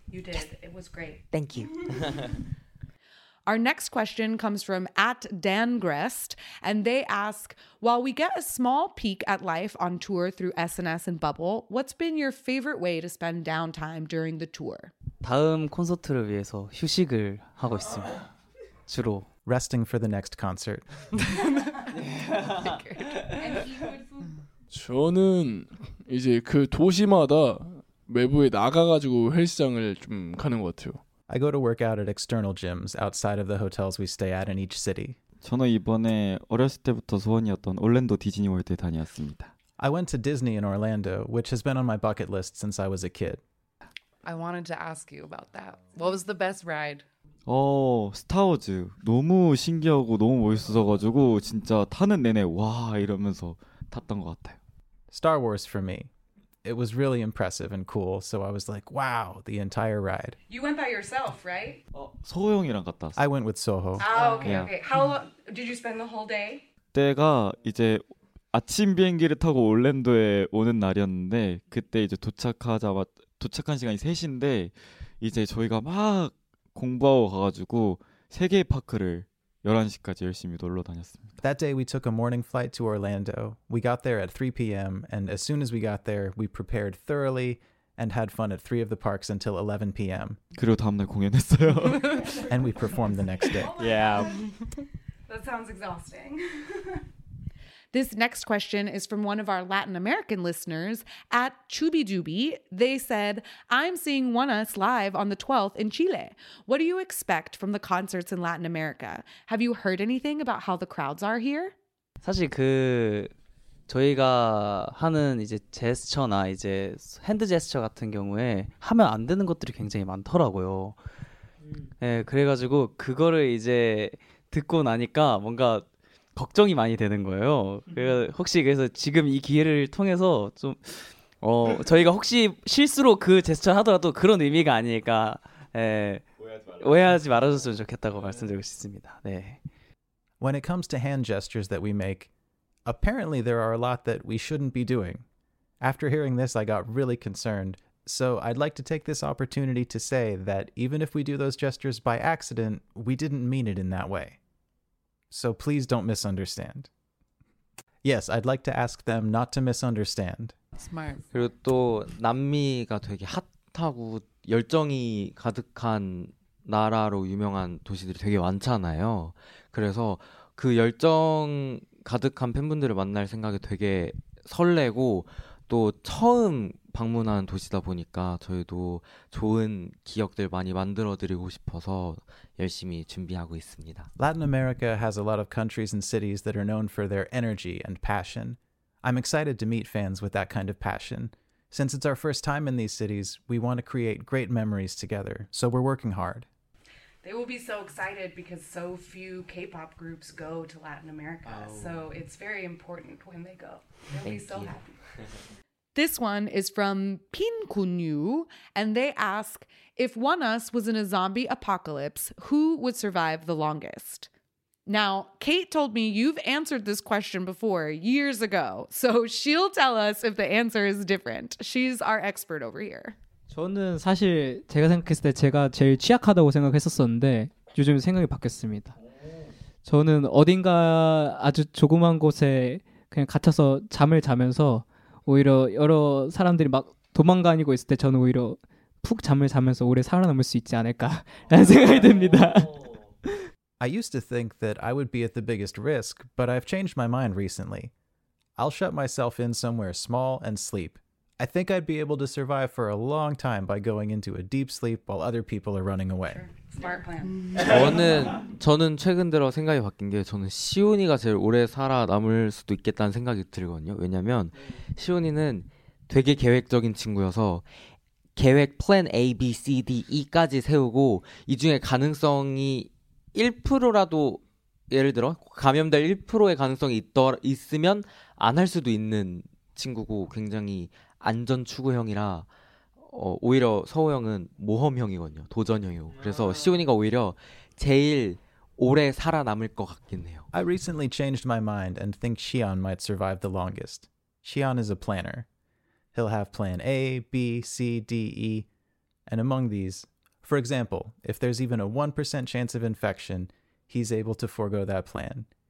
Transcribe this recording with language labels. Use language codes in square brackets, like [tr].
[en] You did. Yes. It was great. Thank you. Our next question comes from at @dangrest, and they ask, while we get a small peek at life on tour through SNS and Bubble, what's been your favorite way to spend downtime during the tour? [ko] 다음 콘서트를 위해서 휴식을 하고 있습니다. 주로. [en] Resting for the next concert. Yeah. [ko] 저는 이제 그 도시마다 외부에 나가가지고 헬스장을 좀 가는 것 같아요. [en] I go to work out at external gyms outside of the hotels we stay at in each city. [ko] 저는 이번에 어렸을 때부터 소원이었던 올랜도 디즈니월드에 다녀왔습니다. [en] I went to Disney in Orlando, which has been on my bucket list since I was a kid. I wanted to ask you about that. What was the best ride? [ko] 스타워즈. 너무 신기하고 너무 멋있어가지고 진짜 타는 내내 와 이러면서 탔던 것 같아요. [en] Star Wars for me. It was really impressive and cool, so I was like, wow, the entire ride. You went by yourself, right? [ko] 소호 형이랑 갔다 왔어. [en] I went with Soho. Yeah. Okay. How long did you spend the whole day? [ko] 그때가 이제 아침 비행기를 타고 올랜도에 오는 날이었는데 그때 이제 도착한 시간이 3시인데 이제 저희가 막 공부하고 가가지고 세 개의 파크를 11시까지 열심히 놀러 다녔습니다. [en] That day we took a morning flight to Orlando. We got there at 3 p.m. and as soon as we got there, we prepared thoroughly and had fun at three of the parks until 11 p.m. [ko] 그리고 다음날 공연했어요. [en] And we performed the next day. Yeah. That sounds exhausting. This next question is from one of our Latin American listeners at @chubidubi. They said, I'm seeing One Us live on the 12th in Chile. What do you expect from the concerts in Latin America? Have you heard anything about how the crowds are here? [ko] 사실 그 저희가 하는 이제 제스처나 이제 핸드 제스처 같은 경우에 하면 안 되는 것들이 굉장히 많더라고요. 예, 그래가지고 그거를 이제 듣고 나니까 뭔가 걱정이 많이 되는 거예요. 그래서 혹시 그래서 지금 이 기회를 통해서 좀 어 저희가 혹시 실수로 그 제스처 하더라도 그런 의미가 아니니까 에, 오해하지 말아줬으면 좋겠다고 말씀드리고 싶습니다. 네. [en] When it comes to hand gestures that we make, apparently there are a lot that we shouldn't be doing. After hearing this, I got really concerned. So I'd like to take this opportunity to say that even if we do those gestures by accident, we didn't mean it in that way. So please don't misunderstand. Yes, I'd like to ask them not to misunderstand. Smart. [ko] 그리고 또 남미가 되게 핫하고 열정이 가득한 나라로 유명한 도시들이 되게 많잖아요. 그래서 그 열정 가득한 팬분들을 만날 생각이 되게 설레고 또 처음 방문한 도시다 보니까 저희도 좋은 기억들 많이 만들어드리고 싶어서 열심히 준비하고 있습니다. [en] Latin America has a lot of countries and cities that are known for their energy and passion. I'm excited to meet fans with that kind of passion. Since it's our first time in these cities, we want to create great memories together, so we're working hard. They will be so excited because so few K-pop groups go to Latin America, oh. So it's very important when they go. They'll Thank be so you. Happy. This one is from Pin Kunyu, and they ask, if One Us was in a zombie apocalypse, who would survive the longest? Now, Kate told me you've answered this question before, years ago, so she'll tell us if the answer is different. She's our expert over here. [ko] 저는 사실 제가 생각했을 때 제가 제일 취약하다고 생각했었는데 요즘 생각이 바뀌었습니다. 저는 어딘가 아주 조그만 곳에 그냥 갇혀서 잠을 자면서 오히려 여러 사람들이 막 도망가니고 있을 때 저는 오히려 푹 잠을 자면서 오래 살아남을 수 있지 않을까라는 생각이 듭니다. [en] I used to think that I would be at the biggest risk, but I've changed my mind recently. I'll shut myself in somewhere small and sleep. I think I'd be able to survive for a long time by going into a deep sleep while other people are running away. Smart plan. [ko] 저는 최근 들어 생각이 바뀐 게 저는 시온이가 제일 오래 살아남을 수도 있겠다는 생각이 들거든요. 왜냐면 시온이는 되게 계획적인 친구여서 계획 [en] plan A, B, C, D, E [ko] 까지 세우고 이 중에 가능성이 1%라도 예를 들어 감염될 1%의 가능성이 있으면 안 할 수도 있는 친구고 굉장히 안전 추구형이라 오히려 서호 형은 모험형이거든요. 도전형이고. 그래서 시온이가 오히려 제일 오래 살아남을 것 같긴 해요. [en] I recently changed my mind and think Xian might survive the longest. Xian is a planner. He'll have plan A, B, C, D, E. And among these, for example, if there's even a 1% chance of infection, he's able to forego that plan.